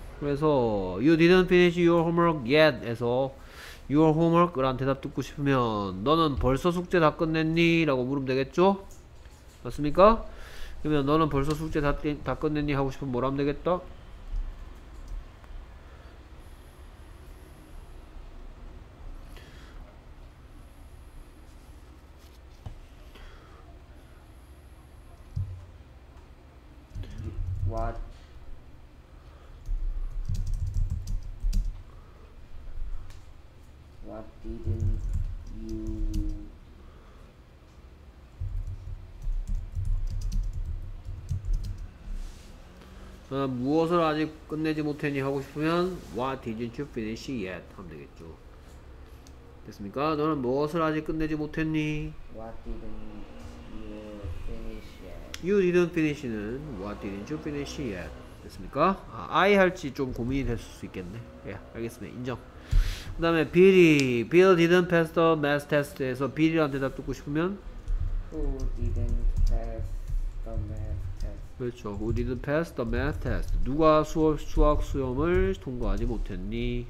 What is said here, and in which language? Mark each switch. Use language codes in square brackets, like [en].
[ko] 그래서 [en] You didn't finish your homework yet 에서 Your homework? [ko] 라는 대답 듣고 싶으면 너는 벌써 숙제 다 끝냈니? 라고 물으면 되겠죠? 맞습니까? 그러면 너는 벌써 숙제 다 끝냈니? 하고 싶으면 뭐라 하면 되겠다? [en] What? Didn't you [ko] 무엇을 아직 끝내지 못했니 하고 싶으면 [en] What didn't you finish yet? [ko] 하면 되겠죠. 됐습니까? 너는 무엇을 아직 끝내지 못했니? [en] What didn't you finish yet? You didn't finish는 What didn't you finish yet? [ko] 됐습니까? 아, I 할지 좀 고민이 될 수 있겠네. 예, 알겠습니다. 인정. 그 다음에 빌이 [en] Bill didn't pass the math test [ko] 에서 빌이라는 대답 듣고 싶으면 [en] Who didn't pass the math test? [ko] 그렇죠. [en] Who didn't pass the math test? [ko] 누가 수학 수험을 통과하지 못했니?